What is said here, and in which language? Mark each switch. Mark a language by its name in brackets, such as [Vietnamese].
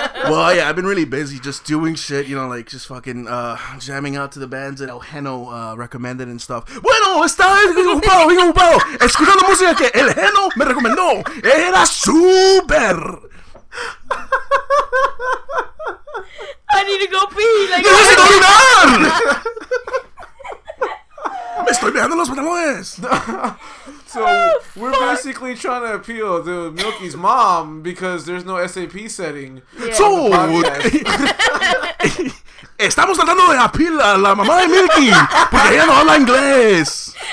[English] Well, yeah, I've been really busy just doing shit, you know, like just fucking jamming out to the bands that El Geno recommended and stuff. [Spanish] Bueno, está ocupado, bien ocupado, escuchando música que El Geno me recomendó. Era super. [English] I need to go pee. Like, [Spanish] ¡necesito orinar! ¡Me estoy mirando los pantalones! [English] So, oh, we're basically trying to appeal to Milky's mom because there's no SAP setting. Yeah. [Spanish] So, estamos tratando de appeal a la mamá de Milky porque ella no habla inglés.